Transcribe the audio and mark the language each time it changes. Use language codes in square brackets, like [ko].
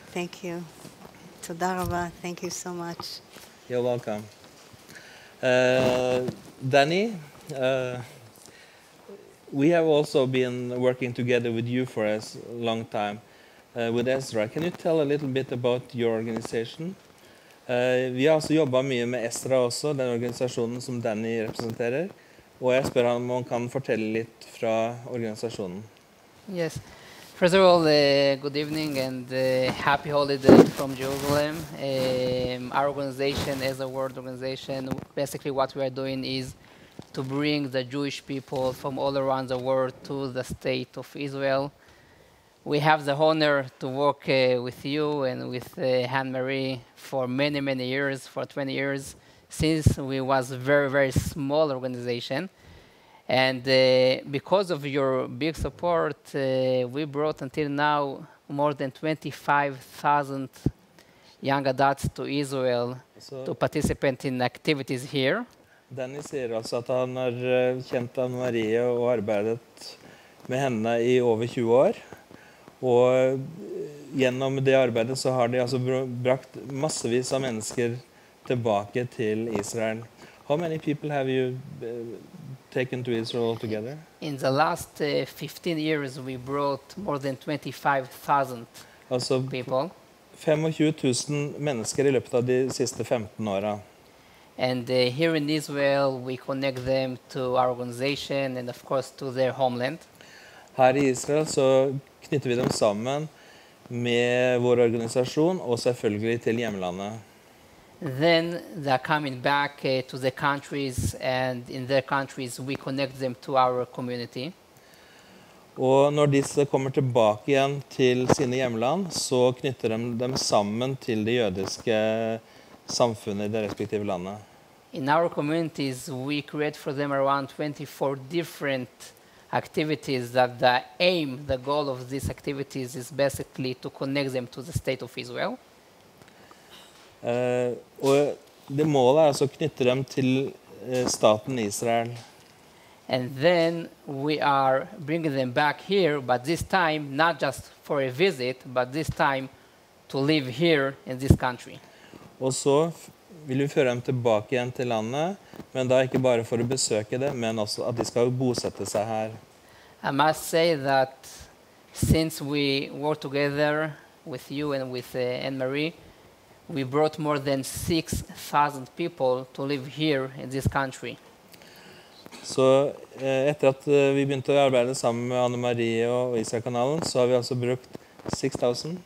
[en] Thank you. [he] Toda rabba. [en] Thank you so much. You're welcome. Danny, we have also been working together with you for a long time, with Ezra. Can you tell a little bit about your organization? [no] Vi har også jobbet mye med Ezra også, den organisasjonen som Danny representerer. Og jeg spør ham om han kan fortelle litt fra organisasjonen. [en] Yes. First of all, good evening and happy holidays from Jerusalem. Our organization is a world organization. Basically, what we are doing is to bring the Jewish people from all around the world to the state of Israel. We have the honor to work with you and with Anne-Marie for many, many years, for 20 years, since we was a very, very small organization. And because of your big support, we brought until now more than 25,000 young adults to Israel to participate in activities here. [no] Danny sier altså at han har kjent Anne-Marie og arbeidet med henne i over 20 år. Og gjennom det arbeidet så har de altså brakt massevis av mennesker tilbake til Israel. [en] How many people have you taken to Israel altogether? In the last 15 years we brought more than 25,000 [no] altså, [en] people. [no] 25,000 mennesker i løpet av de siste 15 årene. [en] And here in Israel we connect them to our organization and of course to their homeland. [no] Her i Israel så knytter vi dem sammen med vår organisasjon og selvfølgelig til hjemlandet. [en] Then they're coming back to their countries and in their countries we connect them to our community. [no] Og når disse kommer tilbake igjen til sine hjemland, så knytter de dem sammen til det jødiske samfunnet i det respektive landet. [en] In our communities we create for them around 24 different activities that the aim, the goal of these activities is basically to connect them to the state of Israel. [no] Og det målet er altså å knytte dem til staten Israel. [en] And then we are bringing them back here, but this time not just for a visit, but this time to live here in this country. [no] Og så vil vi føre dem tilbake igjen til landet, men da ikke bare for å besøke det, men også at de skal bosette seg her. [en] I must say that since we work together with you and with Anne-Marie, we brought more than 6,000 people to live here in this country. [no] Så etter at vi begynte å arbeide sammen med Anne-Marie og Israel-kanalen, så har vi altså brukt 6,000?